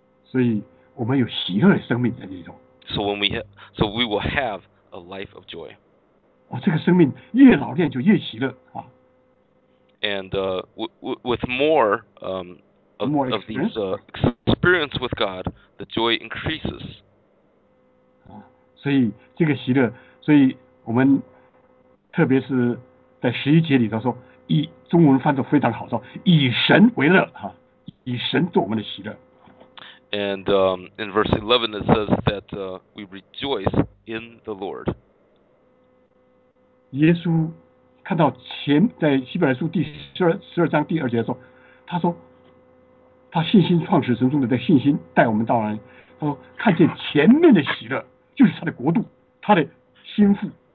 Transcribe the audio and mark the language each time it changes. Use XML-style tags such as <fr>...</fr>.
<zh>所以我们有喜乐的生命在这种。</zh> <en>So we will have a life of joy.</en> <zh>哦，这个生命越老练就越喜乐啊。</zh> <en>And with more of these experience with God, the joy increases.</en> <zh>所以这个喜乐，所以我们。特别是在十一节里头说，以中文翻译非常好，说以神为乐哈，以神做我们的喜乐。</zh> <en>And in verse 11 it says that we rejoice in the Lord.</en> <zh>耶稣看到前在希伯来书第十二章第二节说，他说他信心创始神中的信心带我们到来，他说看见前面的喜乐就是他的国度，他的心腹。</zh>